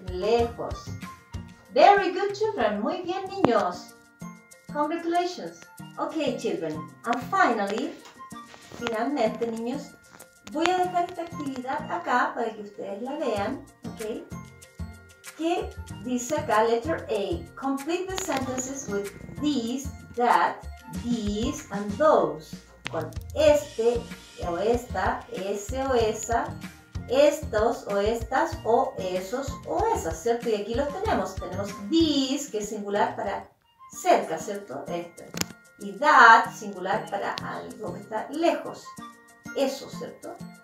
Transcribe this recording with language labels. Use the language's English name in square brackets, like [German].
[English] Lejos. Very good, children. [Spanish] Muy bien, niños. [English] Congratulations. Okay, children. And finally, [Spanish] finalmente, niños, voy a dejar esta actividad acá para que ustedes la vean, okay? Que dice acá, letter A. [English] Complete the sentences with these, that, these, and those. [Spanish] Con este o esta, ese o esa, estos o estas, o esos o esas, ¿cierto? Y aquí los tenemos. Tenemos these, que es singular para cerca, ¿cierto? Este. Y that, singular para algo que está lejos. Eso, ¿cierto?